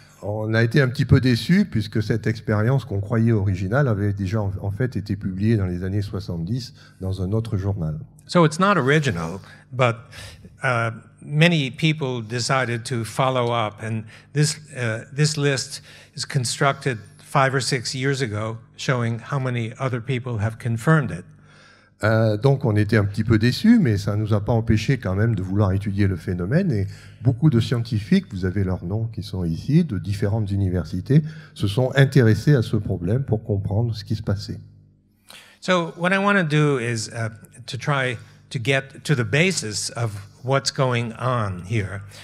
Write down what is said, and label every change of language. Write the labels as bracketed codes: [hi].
[fr] On a été un petit peu déçus puisque cette expérience qu'on croyait originale avait déjà en fait été publiée dans les années 70 dans un autre journal. [en] So it's not original, but many people decided to follow up, and this list is constructed 5 or 6 years ago, showing how many other people have confirmed it. [fr] Donc on était un petit peu déçus, mais ça ne nous a pas empêché quand même de vouloir étudier le phénomène, et beaucoup de scientifiques, vous avez leurs noms qui sont ici, de différentes universités, se sont intéressés à ce problème pour comprendre ce qui se passait. [en] So what I want to do is to try to get to the basis of what's going on here.